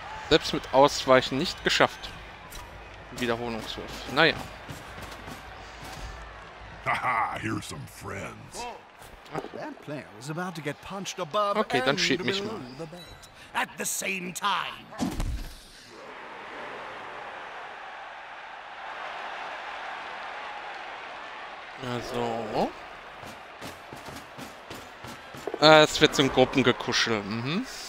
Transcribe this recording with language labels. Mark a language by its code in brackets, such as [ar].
[de] Selbst mit Ausweichen nicht geschafft. Wiederholungswurf. Naja. Haha, hier sind [en] some friends. That player was about to get punched above. [de] Okay, dann schieb mich mal. [en] At the same time. [de] Also. Es wird zum Gruppengekuschel. Mhm.